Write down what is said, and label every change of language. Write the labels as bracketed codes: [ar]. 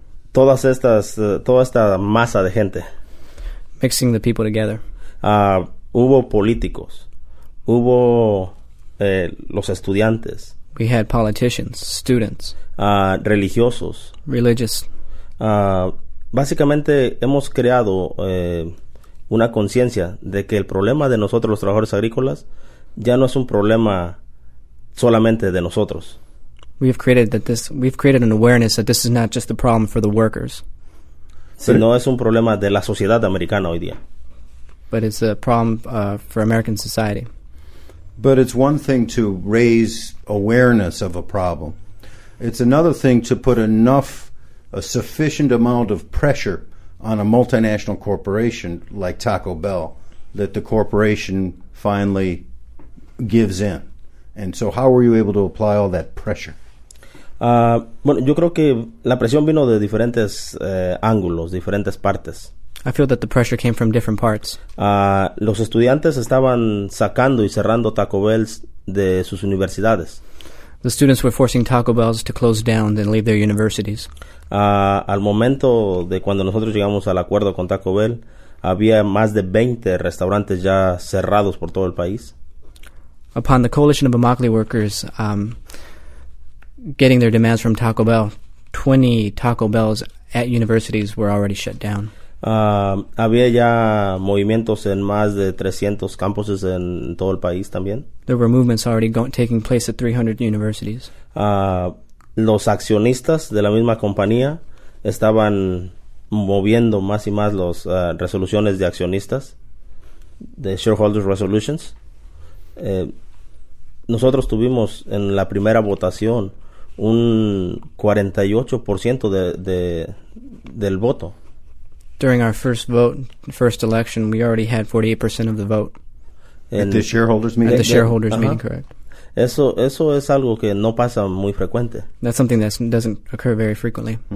[es] todas estas, toda esta masa de gente. [en] Mixing the people together. [es] Hubo políticos. Hubo los estudiantes. [en] We had politicians, students. [es] Religiosos. [en] Religious. [es] Básicamente hemos creado una conciencia de que el problema de nosotros, los trabajadores agrícolas, ya no es un problema solamente de nosotros. [en] We've created an awareness that this is not just a problem for the workers. [es] Sino es un problema de la sociedad americana hoy día. [en] But it's a problem for American society. But it's one thing to raise awareness of a problem. It's another thing to put a sufficient amount of pressure on a multinational corporation like Taco Bell that the corporation finally gives in. And so how were you able to apply all that pressure? [es] Bueno, yo creo que la presión vino de diferentes ángulos, diferentes partes. [en] I feel that the pressure came from different parts. [es] Los estudiantes estaban sacando y cerrando Taco Bells de sus universidades. [en] The students were forcing Taco Bells to close down and leave their universities. [es] Al momento de cuando nosotros llegamos al acuerdo con Taco Bell, había más de 20 restaurantes ya cerrados por todo el país. [en] Upon the coalition of Immokalee workers getting their demands from Taco Bell, 20 Taco Bells at universities were already shut down. [es] Había ya movimientos en más de 300 campuses en todo el país también. [en] There were movements already taking place at 300 universities. [es] Los accionistas de la misma compañía estaban moviendo más y más las resoluciones de accionistas, de [en] shareholders resolutions. [es] Nosotros tuvimos en la primera votación un 48% del voto. [en] During our first vote, first election, we already had 48% of the vote. At the shareholders meeting? At the shareholders meeting, correct. [es] Eso es algo que no pasa muy frecuente. [en] That's something that doesn't occur very frequently.